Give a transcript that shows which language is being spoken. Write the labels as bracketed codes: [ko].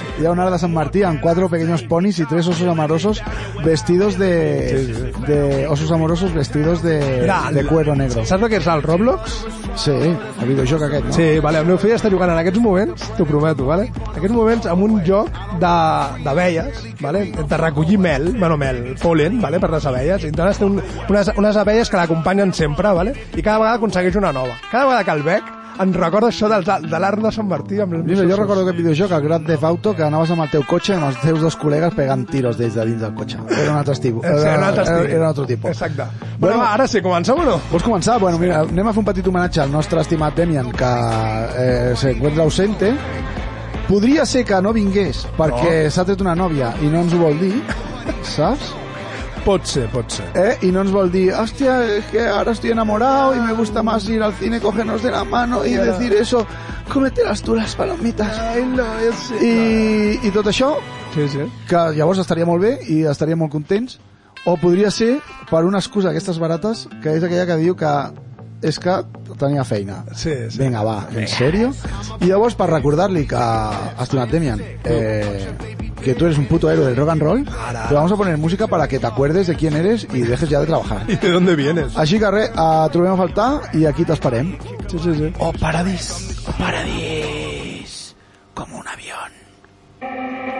[ca] Hi ha un art de Sant Martí amb [es] 4 pequeños ponis y 3 osos amorosos vestidos de... de osos amorosos vestidos de cuero negro. [ca] Saps el que és el Roblox? Sí, el videojoc aquest, no? Sí, vale, el meu fill està jugant en aquests moments, t'ho prometo, vale? En aquests moments amb un joc d'abelles, vale? De recollir mel, bueno, mel, polen, vale? Per les abelles. I llavors té unes abelles que l'acompanyen sempre, vale? I cada vegada aconsegueix una nova. Cada vegada que el veig, em recordo això de l'art de Sant Martí. Jo recordo aquest videojoc, el Grand Theft Auto, que anaves amb el teu cotxe amb els teus dos col·legues pegant tiros des de dins del cotxe. Era un altre estiu. Era un altre tipus. Exacte. Bueno, ara sí, comencem o no? Vols començar? Bueno, mira, anem a fer un petit homenatge al nostre estimat Demian, [es] que se encuentra ausente. [ca] Podria ser que no vingués perquè no. S'ha tret una nòvia i no ens ho vol dir, saps? Pot ser, pot ser. Eh? I no ens vol dir, hòstia, que ara [es] estoy enamorado y me gusta más ir al cine, cogernos de la mano y decir eso, cometerás tú las palomitas. Ay, no, yo sé. [ca] I tot això, sí, sí. Que llavors estaria molt bé i estaria molt contents, o podria ser per una excusa, aquestes barates, que és aquella que diu que és que tenia feina. Sí, sí. Vinga, va, en sèrio? I llavors, per recordar-li que has tornat, Demian, que [es] tú eres un puto héroe del rock and roll, te vamos a poner música para que te acuerdes de quién eres y dejes ya de trabajar. ¿Y de dónde vienes? [ca] Així que re, trobem a faltar y aquí t'esperem. Sí, sí, sí. [es] Oh, paradís, oh, paradís, como un avión.